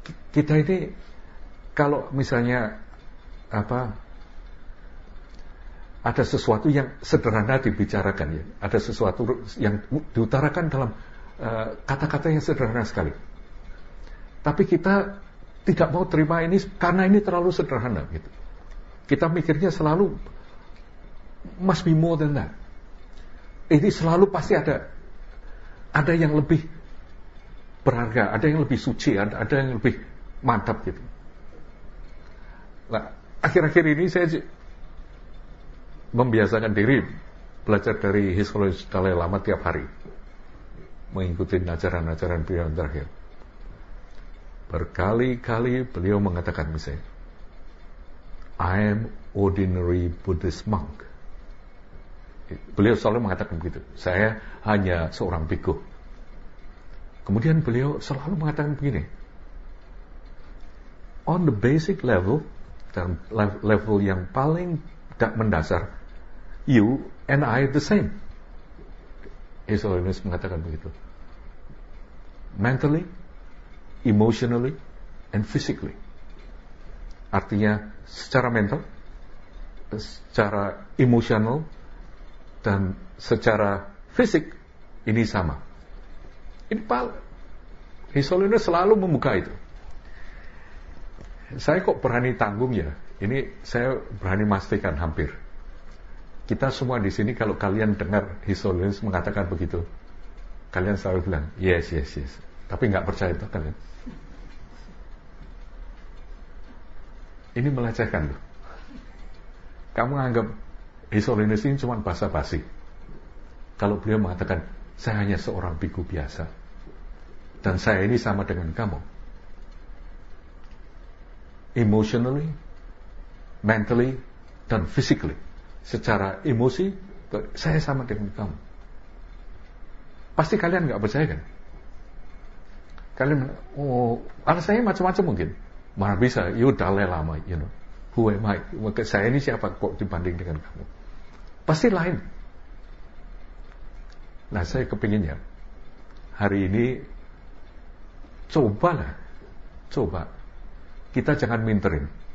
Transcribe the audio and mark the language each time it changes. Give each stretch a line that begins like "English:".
Indonesian: Kita ini kalau misalnya ada sesuatu yang sederhana dibicarakan ya, ada sesuatu yang diutarakan dalam kata-kata yang sederhana sekali, tapi kita tidak mau terima ini karena ini terlalu sederhana gitu. Kita mikirnya selalu
English: must be more than that.
Indonesian: Ini selalu pasti ada yang lebih berharga, ada yang lebih suci, ada yang lebih mantap gitu. Nah, akhir-akhir ini saya membiasakan diri belajar dari His Holiness Dalai Lama tiap hari, mengikuti ajaran-ajaran beliau yang terakhir. Berkali-kali beliau mengatakan misalnya,
English: I am ordinary Buddhist monk.
Indonesian: Beliau selalu mengatakan begitu, saya hanya seorang bhikkhu. Kemudian beliau selalu mengatakan begini,
English: on the basic level,
Indonesian: dalam level yang paling mendasar,
English: you and I the same.
Indonesian: His Holiness mengatakan begitu.
English: Mentally, emotionally, and physically.
Indonesian: Artinya secara mental, secara emosional, dan secara fisik ini sama. Ini His Holiness selalu membuka itu. Saya kok berani tanggung ya? Ini saya berani memastikan hampir. Kita semua di sini kalau kalian dengar His Holiness mengatakan begitu, kalian selalu bilang,
English: yes, yes, yes.
Indonesian: Tapi gak percaya itu kalian. Ini melecehkan loh. Kamu anggap His Holiness ini cuma basa-basi. Kalau beliau mengatakan, saya hanya seorang biku biasa, dan saya ini sama dengan kamu.
English: Emotionally, mentally,
Indonesian: dan
English: physically.
Indonesian: Secara emosi, saya sama dengan kamu. Pasti kalian gak percaya kan? Kalian, oh, alasannya macam-macam mungkin. Mana bisa,
English: you Dalai Lama, you know. Who am I?
Indonesian: Saya ini siapa kok dibanding dengan kamu? Pasti lain. Nah, saya kepinginnya hari ini cobalah, coba kita jangan minterin.